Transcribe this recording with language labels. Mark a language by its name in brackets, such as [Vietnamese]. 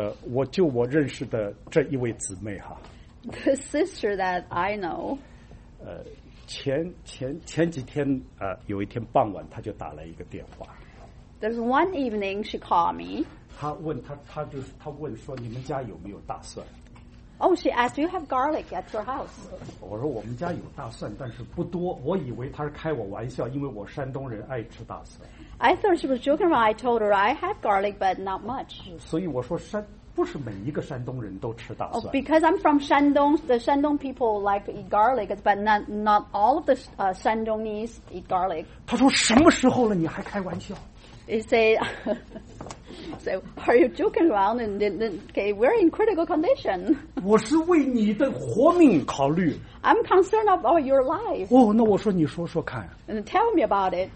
[Chinese] 我就我认识的这一位姊妹哈。 [English] The sister that I know. [Chinese] 前几天有一天傍晚，她就打了一个电话。 [English] There's one evening she called me. [Chinese] 她问她就是她问说你们家有没有大蒜 [English] ？Oh, she asked, "Do you have garlic at your house?" [Chinese] 我说我们家有大蒜，但是不多。我以为她是开我玩笑，因为我山东人爱吃大蒜。 [English] I thought she was joking when I told her I have garlic, but not much. [Chinese] 所以我说不是每一个山东人都吃大蒜。 [English] Oh, because I'm from Shandong, the Shandong people like to eat garlic, but not all of the Shandongese eat garlic. [Chinese] 她说什么时候了，你还开玩笑？ [English] He said, "So are you joking around?" And then, okay, we're in critical condition. [Chinese] 我是为你的活命考虑。 [English] I'm concerned about your life. [Chinese] 哦，那我说你说说看。 [English] And tell me about it.